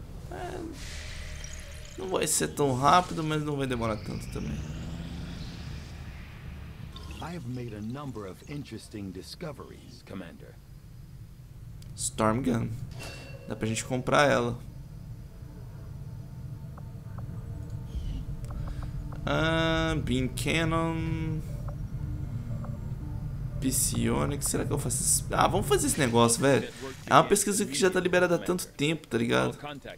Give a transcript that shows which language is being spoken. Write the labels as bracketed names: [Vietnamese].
[Portuguese] É, não vai ser tão rápido, mas não vai demorar tanto também. [English] I have made a number of interesting discoveries, Commander. Storm Gun. [Portuguese] Dá pra gente comprar ela. [English] Beam Cannon. [Portuguese] Psionic, será que eu faço esse... Ah, vamos fazer esse negócio, velho. É uma pesquisa que já tá liberada há tanto tempo, tá ligado? Ah!